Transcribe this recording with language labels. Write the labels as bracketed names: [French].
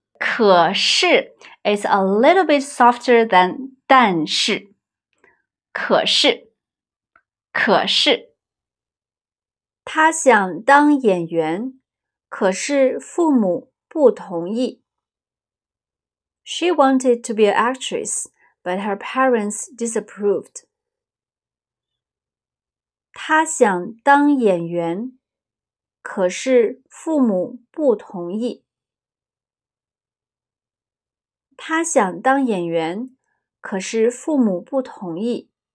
[English] 可是 is a little bit softer than 但是。 [Chinese] 可是，可是，他想当演员，可是父母不同意。 [English] She wanted to be an actress, but her parents disapproved. [Chinese] 他想当演员，可是父母不同意。他想当演员，可是父母不同意。